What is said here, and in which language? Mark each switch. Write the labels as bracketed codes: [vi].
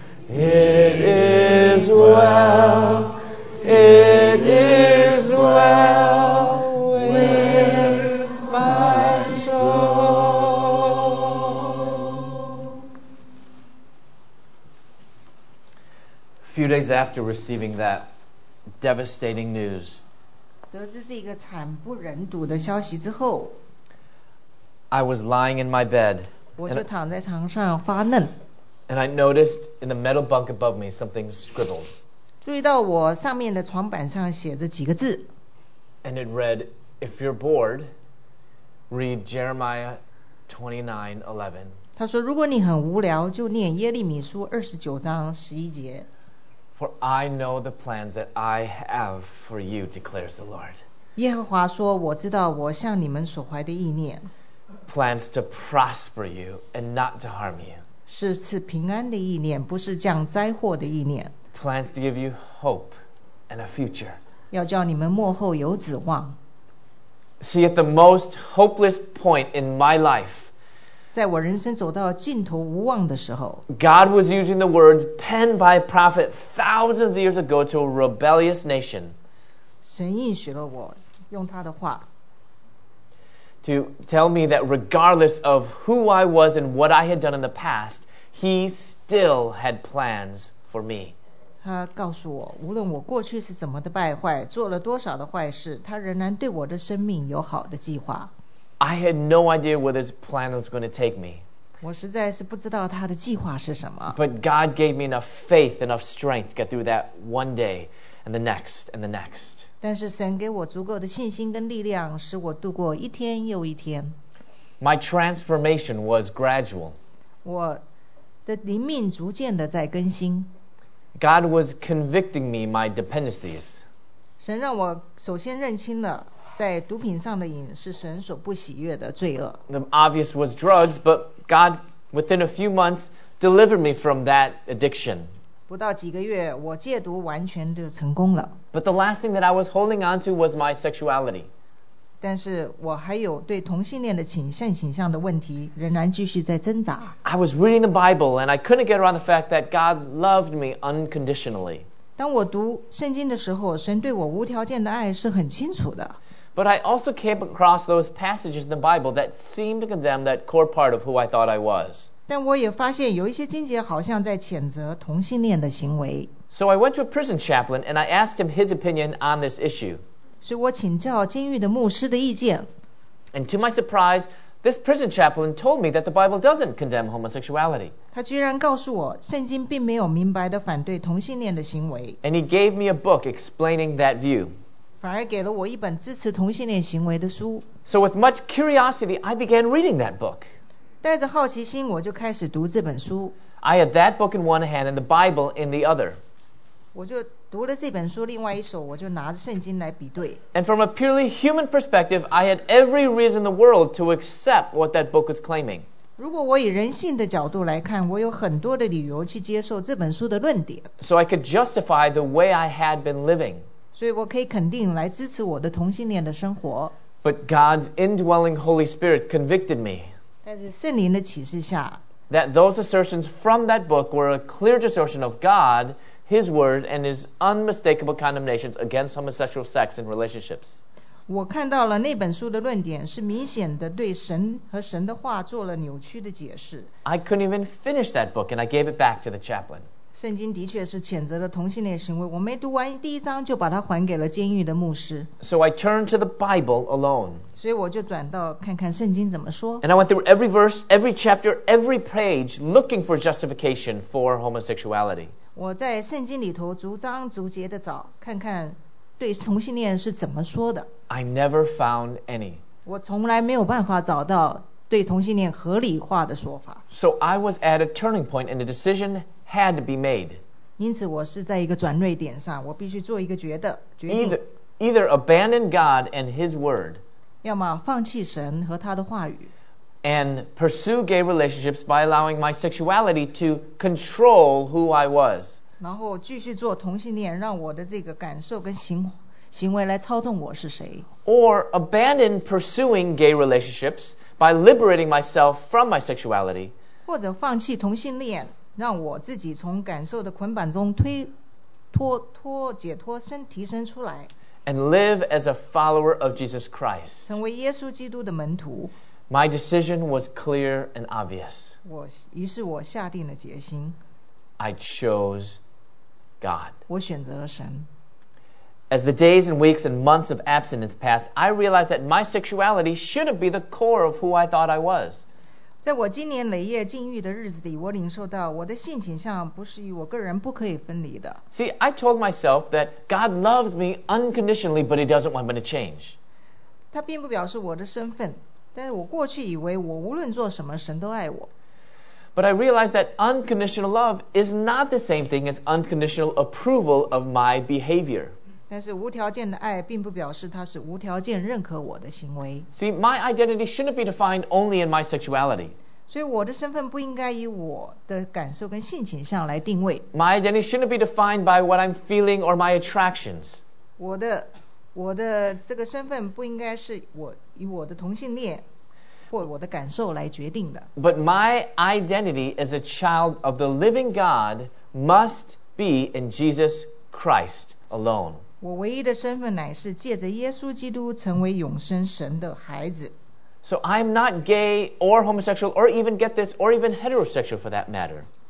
[en] It is well, it is well with my soul. few days after receiving that devastating news, [zh] 得知这个惨不忍睹的消息之后, [en] I was lying in my bed. [zh] 我就躺在床上发愣。 [en] And I noticed in the metal bunk above me something scribbled. [zh] 注意到我上面的床板上写着几个字。 [en] And it read, "If you're bored, read Jeremiah 29:11." [zh] 他说，如果你很无聊，就念耶利米书二十九章十一节。 [en] For I know the plans that I have for you, declares the Lord. [zh] 耶和华说，我知道我向你们所怀的意念。 [en] Plans to prosper you and not to harm you. [zh] 是赐平安的意念，不是降灾祸的意念。 [en] Plans to give you hope and a future. [zh] 要叫你们末后有指望。 [en] See, at the most hopeless point in my life, [zh] 在我人生走到尽头无望的时候, [en] God was using the words penned by a prophet thousands of years ago to a rebellious nation, [zh] 神应许了我用他的话, [en] to tell me that regardless of who I was and what I had done in the past, he still had plans for me. [zh] 他告诉我,无论我过去是怎么的败坏,做了多少的坏事,他仍然对我的生命有好的计划。 [en] I had no idea where this plan was going to take me. [zh] 我实在是不知道他的计划是什么。 [en] But God gave me enough faith, enough strength to get through that one day and the next and the next. [zh] 但是神给我足够的信心跟力量使我度过一天又一天。 [en] My transformation was gradual. [zh] 我的灵命逐渐的在更新。 [en] God was convicting me my dependencies. [zh] 神让我首先认清了在毒品上的瘾是神所不喜悦的罪恶。 [en] The obvious was drugs, but God, within a few months, delivered me from that addiction. [zh] 不到几个月，我戒毒完全就成功了。 [en] But the last thing that I was holding on to was my sexuality. [zh] 但是我还有对同性恋的倾向的问题仍然继续在挣扎。 [en] I was reading the Bible, and I couldn't get around the fact that God loved me unconditionally. [zh] 当我读圣经的时候，神对我无条件的爱是很清楚的。 [en] But I also came across those passages in the Bible that seemed to condemn that core part of who I thought I was. [zh] 但我也发现有一些经节好像在谴责同性恋的行为。 [en] So I went to a prison chaplain and I asked him his opinion on this issue. [zh] 所以我请教监狱的牧师的意见。 [en] And to my surprise, this prison chaplain told me that the Bible doesn't condemn homosexuality. [zh] 他居然告诉我，圣经并没有明白地反对同性恋的行为。 [en] And he gave me a book explaining that view. [zh] 反而给了我一本支持同性恋行为的书。 [en] So with much curiosity, I began reading that book. [zh] 带着好奇心，我就开始读这本书。 [en] I had that book in one hand and the Bible in the other. [zh] 我就读了这本书，另外一手我就拿着圣经来比对。 [en] And from a purely human perspective, I had every reason in the world to accept what that book was claiming. [zh] 如果我以人性的角度来看，我有很多的理由去接受这本书的论点。 [en] So I could justify the way I had been living. [zh] 所以我可以肯定来支持我的同性恋的生活。 [en] But God's indwelling Holy Spirit convicted me. [zh] 但是圣灵的启示下。 [en] That those assertions from that book were a clear distortion of God, His word, and His unmistakable condemnations against homosexual sex and relationships. [zh] 我看到了那本书的论点是明显的对神和神的话做了扭曲的解释。 [en] I couldn't even finish that book and I gave it back to the chaplain. [zh] 圣经的确是谴责了同性恋行为，我没读完第一章就把它还给了监狱的牧师。 [en] So I turned to the Bible alone. [zh] 所以我就转到看看圣经怎么说。 [en] And I went through every verse, every chapter, every page, looking for justification for homosexuality. [zh] 我在圣经里头逐章逐节的找，看看对同性恋是怎么说的。 [en] I never found any. [zh] 我从来没有办法找到对同性恋合理化的说法。 [en] So I was at a turning point in a decision. Had to be made. [zh] 因此我是在一个转捩点上，我必须做一个决定。 [en] Either abandon God and His word. [zh] 要么放弃神和他的话语。 [en] And pursue gay relationships by allowing my sexuality to control who I was. [zh] 然后继续做同性恋，让我的这个感受跟行为来操纵我是谁。 [en] Or abandon pursuing gay relationships by liberating myself from my sexuality. [zh] 或者放弃同性恋。让我自己从感受的捆绑中解脱提升出来。 [en] And live as a follower of Jesus Christ. [zh] 成为耶稣基督的门徒。 [en] My decision was clear and obvious. [zh] 于是我下定了决心。 [en] I chose God. God. [zh] 我选择了神。 [en] As the days and weeks and months of abstinence passed, I realized that my sexuality shouldn't be the core of who I thought I was. [zh] 在我经年累月禁欲的日子里，我领受到我的性倾向不是与我个人不可以分离的。 [en] See, I told myself that God loves me unconditionally, but He doesn't want me to change. [zh] 他并不表示我的身份，但是我过去以为我无论做什么，神都爱我。 [en] But I realized that unconditional love is not the same thing as unconditional approval of my behavior. [zh] 但是无条件的爱并不表示它是无条件认可我的行为。 [en] See, my identity shouldn't be defined only in my sexuality. [zh] 所以我的身份不应该以我的感受跟性倾向来定位。 [en] My identity shouldn't be defined by what I'm feeling or my attractions. [zh] 我的这个身份不应该是我以我的同性恋。 [en] But my identity as a child of the living God must be in Jesus Christ alone. [zh] 我唯一的身份乃是借着耶稣基督成为永生神的孩子。 [en] So I'm not gay or homosexual or even get this or even heterosexual for that matter.